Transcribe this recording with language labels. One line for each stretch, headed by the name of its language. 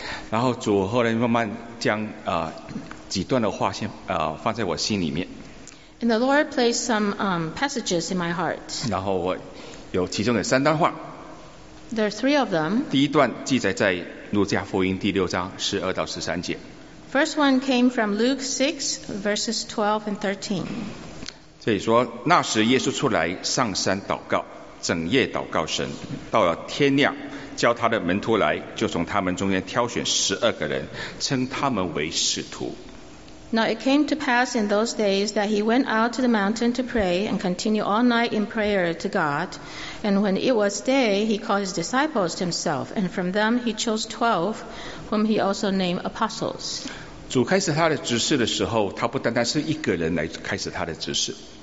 Chinese: 然后主后来慢慢将几段的话先放在我心里面。
English: And the Lord placed some passages in my heart.
Chinese: 然后我有其中有三段话。
English: There are three of them.
Chinese: 第一段记载在路加福音6:12-13.
English: First one came from Luke 6:12-13.
Chinese: 所以说，那时耶稣出来上山祷告，整夜祷告神，到了天亮，叫他的门徒来，就从他们中间挑选12个人，称他们为使徒。
English: Now it came to pass in those days that he went out to the mountain to pray and continue all night in prayer to God. And when it was day, he called his disciples to himself, and from them he chose 12, whom he also named apostles.
Chinese: 主开始他的执事的时候，他不单单是一个人来开始他的执事。